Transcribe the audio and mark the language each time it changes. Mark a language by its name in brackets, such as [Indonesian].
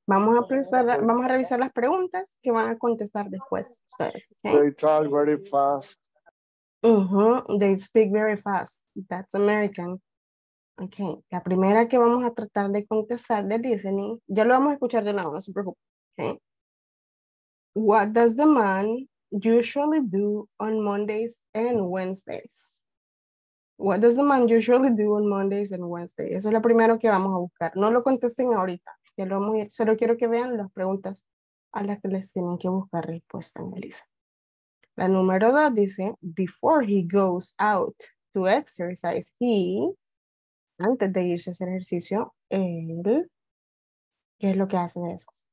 [Spanish] Vamos a revisar las preguntas que van a contestar después ustedes. [English] Okay? They talk very fast. They speak very fast. That's American. Okay. [Spanish] La primera que vamos a tratar de contestar de listening, ya lo vamos a escuchar de nuevo, no se preocupen. [English] Okay. What does the man usually do on Mondays and Wednesdays? What does the man usually do on Mondays and Wednesdays? [Spanish] Eso es lo primero que vamos a buscar. No lo contesten ahorita. Ya lo vamos a ir. Solo quiero que vean las preguntas a las que les tienen que buscar respuesta en Elisa. La número dos dice, [English] before he goes out to exercise, he, [Spanish] antes de irse a hacer ejercicio, él, ¿qué es lo que hace de eso?